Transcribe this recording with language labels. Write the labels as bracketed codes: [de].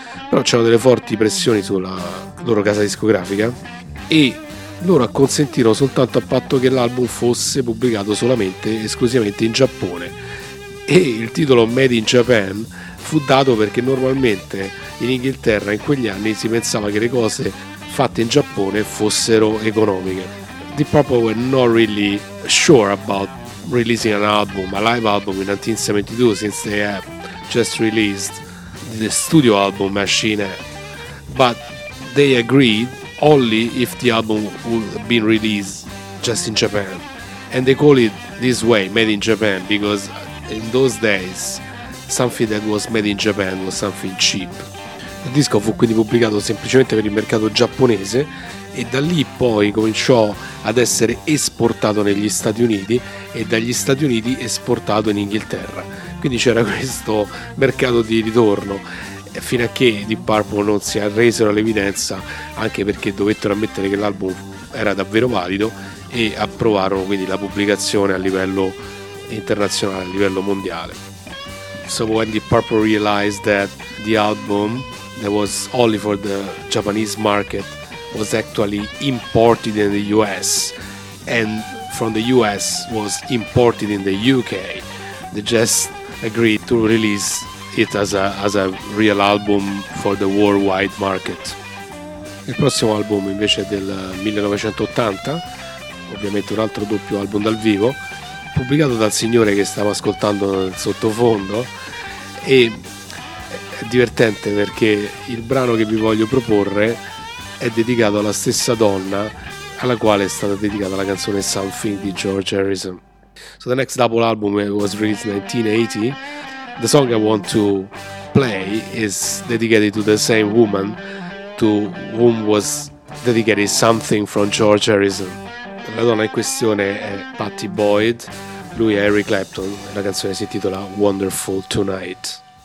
[it] Però c'erano delle forti pressioni sulla loro casa discografica e loro acconsentirono soltanto a patto che l'album fosse pubblicato solamente esclusivamente in Giappone, e il titolo Made in Japan fu dato perché normalmente in Inghilterra in quegli anni si pensava che le cose fatte in Giappone fossero economiche. [en] Deep Purple were not really sure about releasing an album, a live album in 1972, since they have just released the studio album Machine, but they agreed only if the album would have been released just in Japan. And they call it this way, Made in Japan, because in those days something that was made in Japan was something cheap. [it] Il disco fu quindi pubblicato semplicemente per il mercato giapponese e da lì poi cominciò ad essere esportato negli Stati Uniti e dagli Stati Uniti esportato in Inghilterra. Quindi c'era questo mercato di ritorno, fino a che Deep Purple non si arresero all'evidenza, anche perché dovettero ammettere che l'album era davvero valido, e approvarono quindi la pubblicazione a livello internazionale, a livello mondiale. [en] So when Deep Purple realized that the album that was only for the Japanese market was actually imported in the US, and from the US was imported in the UK, they just agreed to release it as a real album for the worldwide market. [it] Il prossimo album invece è del 1980, ovviamente un altro doppio album dal vivo, pubblicato dal signore che stavo ascoltando nel sottofondo, e è divertente perché il brano che vi voglio proporre è dedicato alla stessa donna alla quale è stata dedicata la canzone Something di George Harrison. [en] So the next double album was released in 1980. The song I want to play is dedicated to the same woman to whom was dedicated Something from George Harrison. [it] La donna in questione è Patti Boyd, lui è Eric Clapton, la canzone si intitola Wonderful Tonight.